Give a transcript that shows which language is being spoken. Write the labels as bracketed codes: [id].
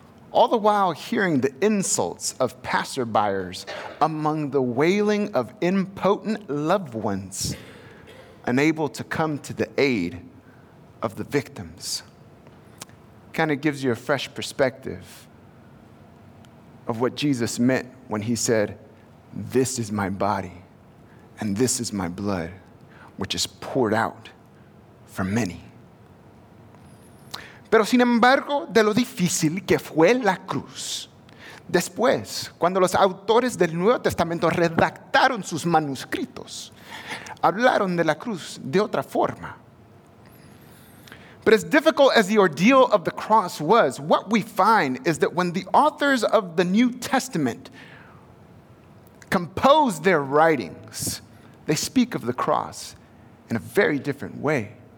[en] all the while hearing the insults of passerbyers among the wailing of impotent loved ones unable to come to the aid of the victims. Kind of gives you a fresh perspective of what Jesus meant when he said, "This is my body and this is my blood, which is poured out for many." [es] Pero sin embargo de lo difícil que fue la cruz, después, cuando los autores del Nuevo Testamento redactaron sus manuscritos, hablaron de la cruz de otra forma. [en] But as difficult as the ordeal of the cross was, what we find is that when the authors of the New Testament compose their writings, they speak of the cross in a very different way.